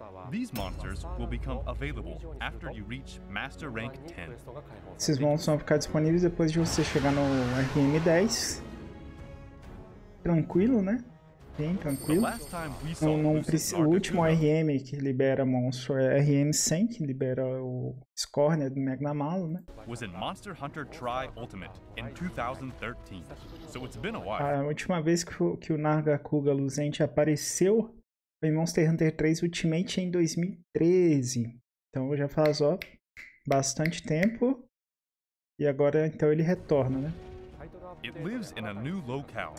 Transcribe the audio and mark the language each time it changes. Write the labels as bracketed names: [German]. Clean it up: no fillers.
[English] These monsters will become available after you reach Master Rank 10. [Portuguese] Esses monstros vão ficar disponíveis depois de você chegar no RM10. Tranquilo, né? Bem tranquilo. Não, não, o último RM que libera monstro é RM100, que libera o Scornia do Magnamalo, né? [English] Was in Monster Hunter Tri Ultimate in 2013. So it's been a while. [Portuguese] A última vez que o Nargacuga Luzente apareceu foi em Monster Hunter 3 Ultimate em 2013. Então já faz, ó, bastante tempo. E agora então ele retorna, né? [English] It lives in a new locale.